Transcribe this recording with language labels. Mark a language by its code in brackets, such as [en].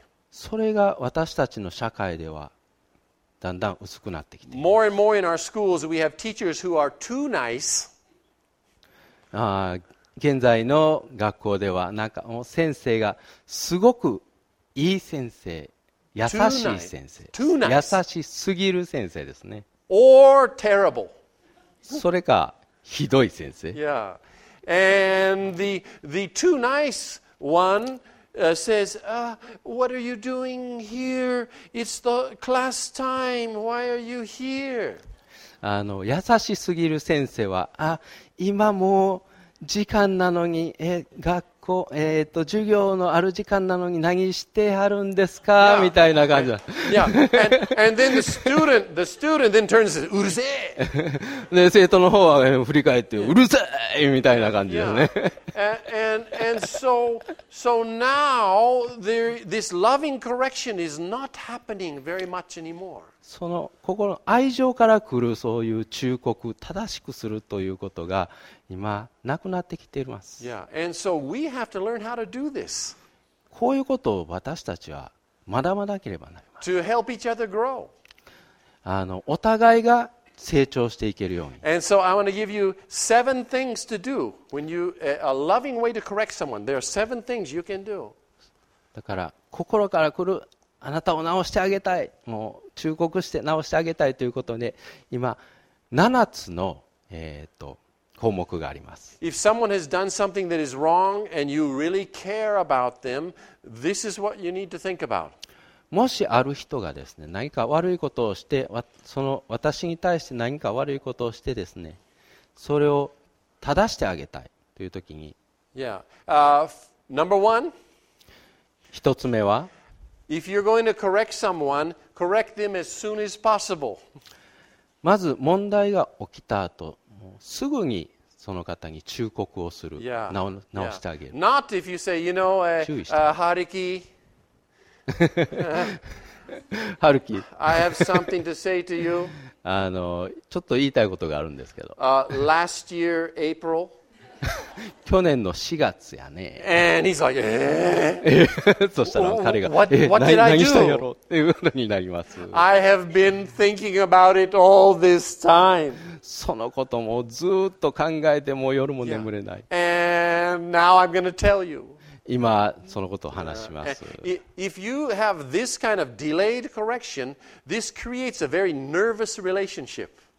[ja] それが私たちの社会ではだんだん薄くなってきています。 [en] More and more in our schools, we have teachers who are too nice. [ja] 現在の学校ではなんかもう先生がすごくいい先生、優しい先生、 [en] too nice. [ja] 優しすぎる先生ですね。 [en] Or terrible. [ja] それかひどい先生。 [en] Yeah. And the too nice one says, what are you doing here? It's the class time. Why are you here? [ja] 優しすぎる先生は、今もう時間なのに、学校、授業のある時間なのに何してはるんですか、 [en] yeah. [ja] みたいな感じだ。 [en] Yeah. And then the student then turns, [ja] うるせえ。で、生徒の方は振り返って、 [en] yeah. [ja] うるせえみたいな感じだね。 [en] Yeah. And so now, this loving correction is not happening very much anymore. [ja] その心の愛情から来るそういう忠告、正しくするということが、今なくなってきています。 [en] Yeah. And so we have to learn how to do this. [ja] こういうことを私たちは学ばなければなります。 [en] To help each other grow. [ja] お互いが成長していけるように。 [en] And so I want to give you seven things to do when you a loving way to correct someone. There are seven things you can do. [ja] だから心から来るあなたを直してあげたい、もう忠告して直してあげたいということで、今7つの項目があります。 [en] If someone has done something that is wrong and you really care about them, this is what you need to think about. [ja] もしある人がですね、何か悪いことをして、その私に対して何か悪いことをしてですね、それを正してあげたいという時に、 [en] Number one. [ja] 一つ目は、 [en] If you're going to correct someone, correct them as soon as possible. [ja] まず問題が起きた後、すぐにその方に忠告をする。直してあげる。 [en] Not if you say, you know, Haruki. Haruki. I have something to say to you. [ja] ちょっと言いたいことがあるんですけど。 [en] Last year, April. [ja] 去年の4月やね。 [en] And he's like, [ja] そしたら彼が、何したんやろうっていうことになります。 [en] I have been thinking about it all this time. [ja] そのこともずっと考えて、もう夜も眠れない。 [en] And now I'm gonna tell you. [ja] 今、そのことを話します。 [en] If you have this kind of delayed correction, this creates a very nervous relationship.